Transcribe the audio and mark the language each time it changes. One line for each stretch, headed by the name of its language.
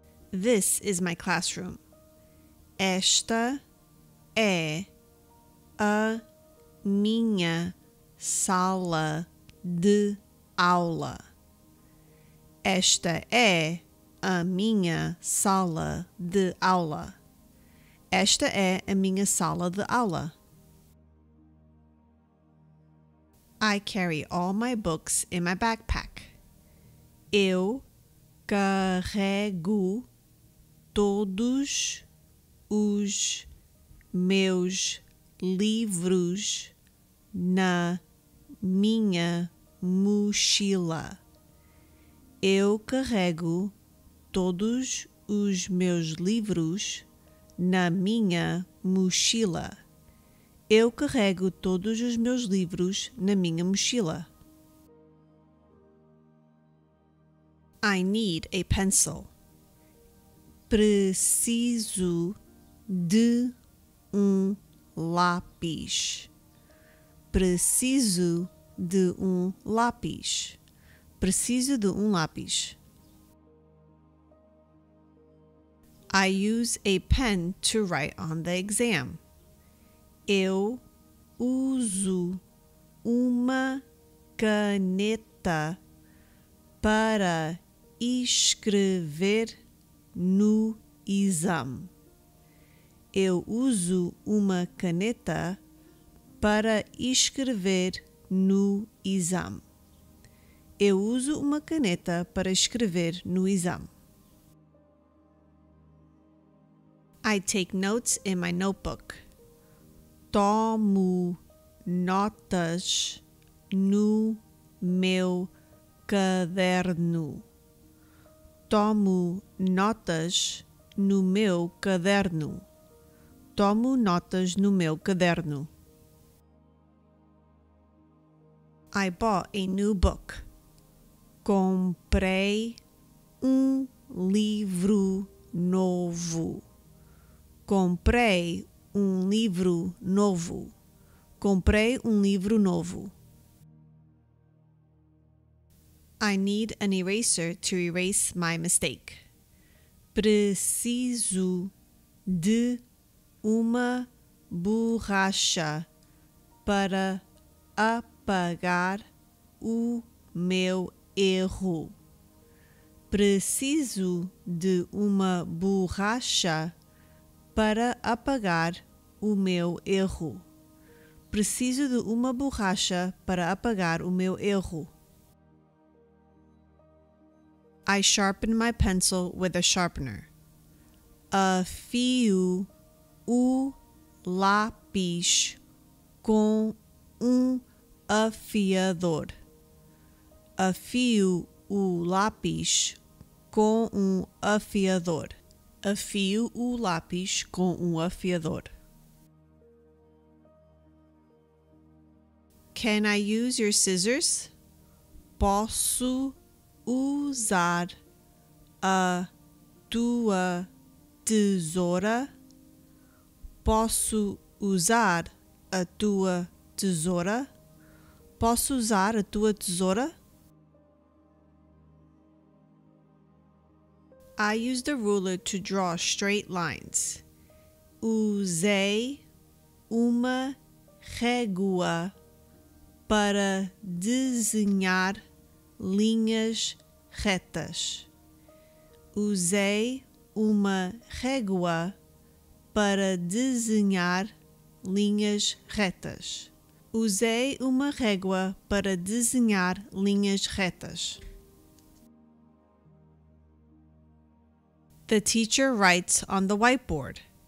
English: This is my classroom.
Portuguese: Esta é a minha sala de aula. Esta é a minha sala de aula. Esta é a minha sala de aula.
English: I carry all my books in my backpack.
Portuguese: Eu carrego todos os meus livros na minha mochila. Eu carrego todos os meus livros na minha mochila. Eu carrego todos os meus livros na minha mochila.
English: I need a pencil.
Portuguese: Preciso de um lápis. Preciso de um lápis. Preciso de um lápis.
English: I use a pen to write on the exam.
Portuguese: Eu uso uma caneta para escrever no exame. Eu uso uma caneta para escrever no exame. Eu uso uma caneta para escrever no exame.
English: I take notes in my notebook.
Portuguese: Tomo notas no meu caderno. Tomo notas no meu caderno. Tomo notas no meu caderno.
English: I bought a new book.
Portuguese: Comprei um livro novo. Comprei um livro novo. Comprei um livro novo.
English: I need an eraser to erase my mistake.
Portuguese: Preciso de uma borracha para apagar o meu erro. Preciso de uma borracha para apagar o meu erro. Preciso de uma borracha para apagar o meu erro.
English: I sharpen my pencil with a sharpener.
Portuguese: Afio o lápis com um afiador. Afio o lápis com um afiador. Afio o lápis com um afiador.
English: Can I use your scissors?
Portuguese: Posso usar a tua tesoura? Posso usar a tua tesoura? Posso usar a tua tesoura?
English: I use the ruler to draw straight lines.
Portuguese: Usei uma régua para desenhar linhas retas. Usei uma régua para desenhar linhas retas. Usei uma régua para desenhar linhas retas.
English: The teacher writes on the whiteboard.